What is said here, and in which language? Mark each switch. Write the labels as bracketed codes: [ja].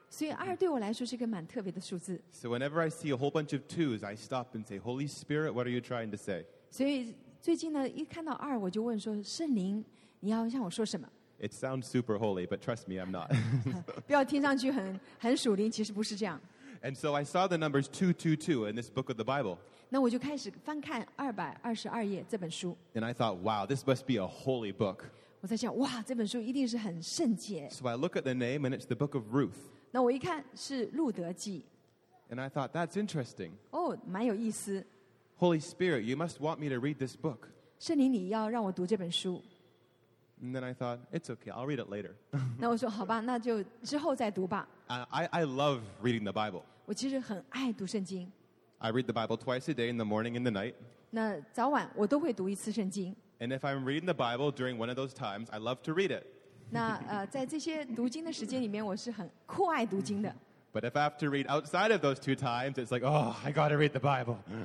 [en] So whenever I see a whole bunch of 2s, I stop and say, Holy Spirit, what are you trying to say? [zh] 所以最近呢，一看到二，我就问说，圣灵，你要向我说什么？ [en] It sounds super holy, but trust me, I'm not. [zh] 不要听上去很属灵，其实不是这样。 [en] And so I saw the numbers 222 in this book of the Bible. [zh] 那我就开始翻看222页这本书。 [en] And I thought, wow, this must be a holy book. [zh] 我在想，哇，这本书一定是很圣洁。 [en] So I look at the name, and it's the book of Ruth. [zh] 那我一看是路德记。 [en] And I thought, that's interesting. [zh] 哦，蛮有意思。 [en] Holy Spirit, you must want me to read this book. [zh] 圣灵，你要让我读这本书。 [en] And then I thought, it's okay, I'll read it later. [zh] 那我说好吧，那就之后再读吧。 [en] I love reading the Bible. [zh] 我其实很爱读圣经。 [en] I read the Bible twice a day, in the morning and the night. [zh] 那早晚我都会读一次圣经。 [en] And if I'm reading the Bible during one of those times, I love to read it. [zh] 那在这些读经的时间里面，我是很酷爱读经的。 [en] But if I have to read outside of those two times, it's like, oh, I gotta read the Bible.